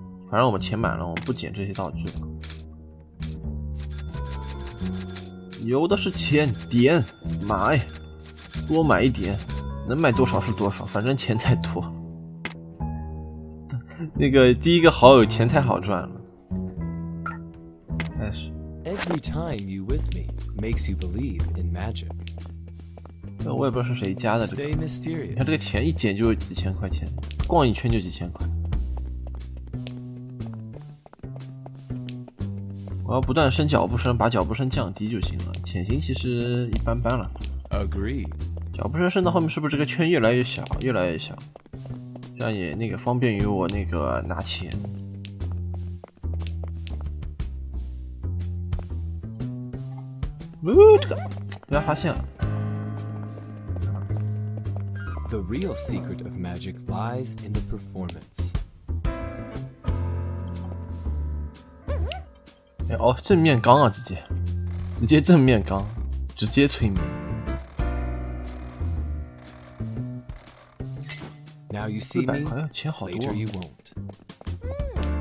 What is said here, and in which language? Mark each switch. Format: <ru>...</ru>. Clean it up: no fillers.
<zh>反正我们钱满了，我们不捡这些道具了，有的是钱，点买，多买一点，能买多少是多少，反正钱太多。那个第一个好友钱太好赚了。</zh> <en>Every time you with me makes you believe in magic.</en> <zh>我也不知道是谁加的这个。你看这个钱一捡就几千块钱，逛一圈就几千块。我要不断升脚步声，把脚步声降低就行了。潜行其实一般般了。</zh> <en>Agree.</en> <zh>脚步声升到后面，是不是这个圈越来越小，越来越小？这样也那个方便于我那个拿钱。这个不要发现了。</zh> <en>The real secret of magic lies in the performance.</en> <zh>哎哦，正面刚啊，直接，直接正面刚，直接催眠。</zh> <en>Now you see me.</en> <zh>400块，钱好多。</zh> <en>Later you won't.</en>